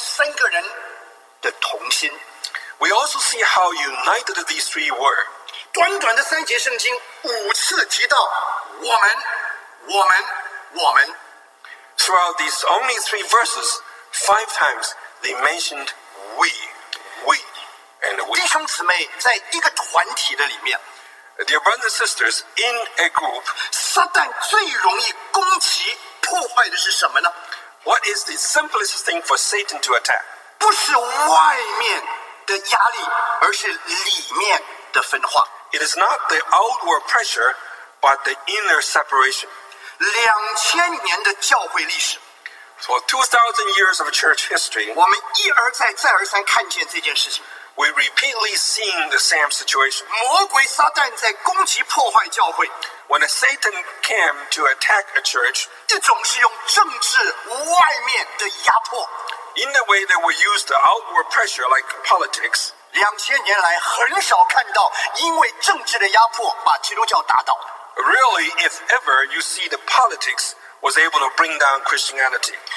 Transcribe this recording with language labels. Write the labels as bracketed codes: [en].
[zh] 而且我们看见他们在这三节圣经里面看见他们三个人的同心。 [en] We also see how united these three were. [zh] 短短的三节圣经五次提到我们。 [en] Throughout these only three verses, five times they mentioned we. [zh] 弟兄姊妹在一个团体的里面, [en] Dear brothers and sisters, in a group, [zh] 撒旦最容易攻击破坏的是什么呢? [en] What is the simplest thing for Satan to attack? [zh] 不是外面的压力, 而是里面的分化。 [en] It is not the outward pressure, but the inner separation. [zh] 2000年的教会历史, [en] For 2,000 years of church history, [zh] 我们一而再再而三看见这件事情。 [en] We repeatedly seeing the same situation. [zh] 魔鬼撒旦在攻击破坏教会, [en] when Satan came to attack a church, [zh] 一种是用政治外面的压迫, [en] in the way they were used the outward pressure like politics, [zh] 2000年来很少看到因为政治的压迫把基督教打倒。 [en] Really, if ever you see the politics was able to bring down Christianity.